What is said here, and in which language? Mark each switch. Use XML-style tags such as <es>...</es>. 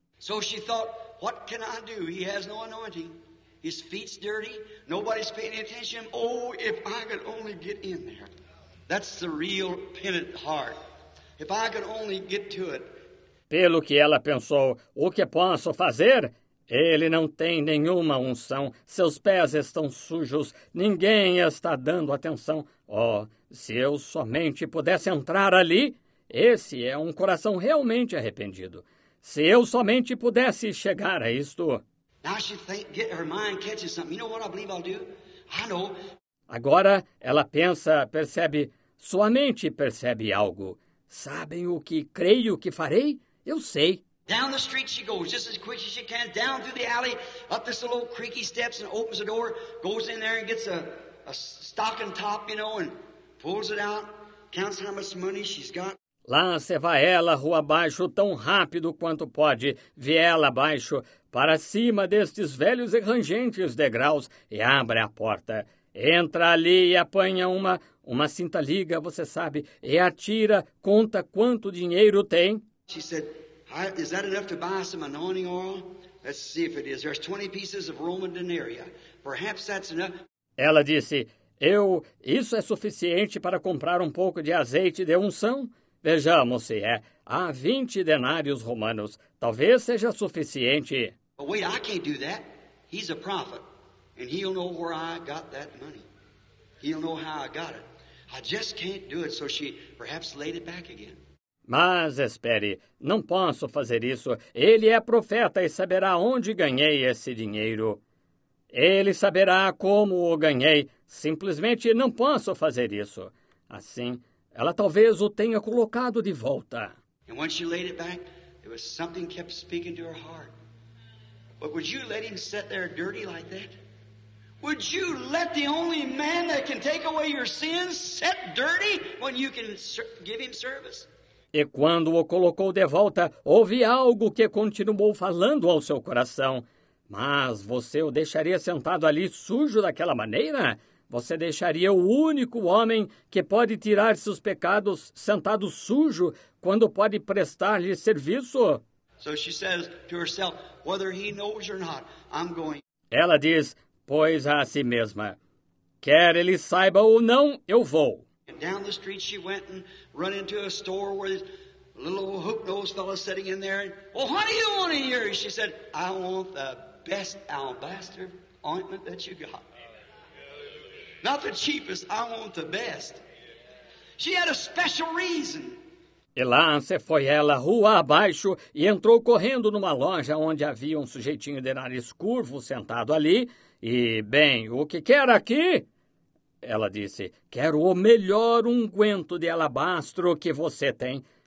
<en>So she thought, what can I do? He has no anointing. His feet's dirty. Nobody's paying attention. Oh, if I could only get in there. That's the real penitent heart. If I could only get to it.</en> <pt>Pelo que ela pensou, o que posso fazer? Ele não tem nenhuma unção. Seus pés estão sujos. Ninguém está dando atenção. Oh, se eu somente pudesse entrar ali. Esse é um coração realmente arrependido. Se eu somente pudesse chegar a isto.</pt> <en>Now she think, get her mind catching something. You know what I believe I'll do? I know.</en> <pt>Agora ela pensa, percebe, sua mente percebe algo. Sabem o que creio que farei? Eu sei.</pt> <en>Down the street she goes, just as quick as she can, down through the alley, up this little creaky steps and opens the door, goes in there and gets a stocking top, you know, and pulls it out, counts how much money she's got.</en> <pt>Lá se vai ela, rua abaixo, tão rápido quanto pode, viela abaixo, para cima destes velhos e rangentes degraus e abre a porta. Entra ali e apanha uma cinta liga, você sabe, e atira, conta quanto dinheiro tem.</pt> <en>She said, is that enough to buy some anointing oil? Let's see if it is. There's 20 pieces of Roman denaria. Perhaps that's enough.</en> <pt>Ela disse, isso é suficiente para comprar um pouco de azeite de unção? Vejamos se é. Há 20 denários romanos. Talvez seja suficiente.</pt> <en>But wait, I can't do that. He's a prophet. And he'll know where I got that money. He'll know how I got it. I just can't do it, so she perhaps laid it back again.</en> <pt>Mas espere, não posso fazer isso. Ele é profeta e saberá onde ganhei esse dinheiro. Ele saberá como o ganhei. Simplesmente não posso fazer isso. Assim, ela talvez o tenha colocado de volta.</pt> <en>And when she laid it back, there was something kept speaking to her heart. But would you let him sit there dirty like that? Would you let the only man that can take away your sins sit dirty when you can give him service?</en> <pt>E quando o colocou de volta, houve algo que continuou falando ao seu coração. Mas você o deixaria sentado ali sujo daquela maneira? Você deixaria o único homem que pode tirar seus pecados sentado sujo quando pode prestar-lhe serviço?</pt> <en>So she says to herself, whether he knows or not, I'm going.</en> <pt>Ela diz, pois a si mesma, quer ele saiba ou não, eu vou.</pt> <en>And down the street she went and run into a store where this little hook-nosed fellow sitting in there. Well, what do you want in here? She said, I want the best alabaster ointment that you got. Not the cheapest, I want the best. She had a special reason.</en> <pt>E lá se foi ela, rua abaixo, e entrou correndo numa loja onde havia um sujeitinho de nariz curvo sentado ali. E, bem, o que quer aqui? Ela disse, quero o melhor unguento de alabastro que você tem.</pt>